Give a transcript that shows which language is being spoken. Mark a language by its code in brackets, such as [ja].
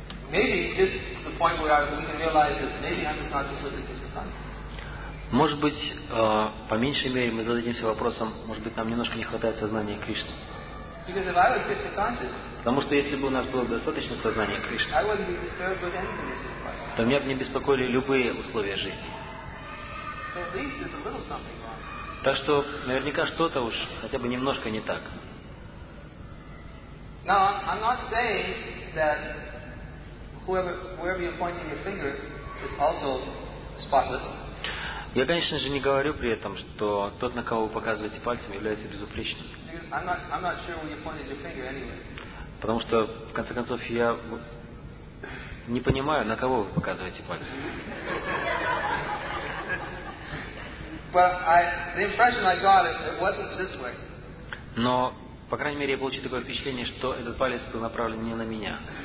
[en] Maybe just the point where we can realize that maybe I'm just not just looking for sustenance. [ru] Может быть, по меньшей мере мы зададимся вопросом, может быть, нам немножко не хватает сознания Кришны. [en] Because if I was just conscious, [ru] потому что если бы у нас было достаточно сознания Кришны, [en] I wouldn't be disturbed with any conditions. [ru] То меня бы не беспокоили любые условия жизни. [en] At least there's a little something wrong. [ru] Так что наверняка что-то уж хотя бы немножко не так. [en] Now I'm not saying that wherever you're pointing your finger is also spotless. [ru] Я, конечно же, не говорю при этом, что тот, на кого вы показываете пальцем, является безупречным. [en] I'm not sure where you pointed your finger anyway. [ru] Потому что, в конце концов, я не понимаю, на кого вы показываете пальцем. [en] The impression I got is it wasn't this way. [ru] Но, по крайней мере, я получил такое впечатление, что этот палец был направлен не на меня.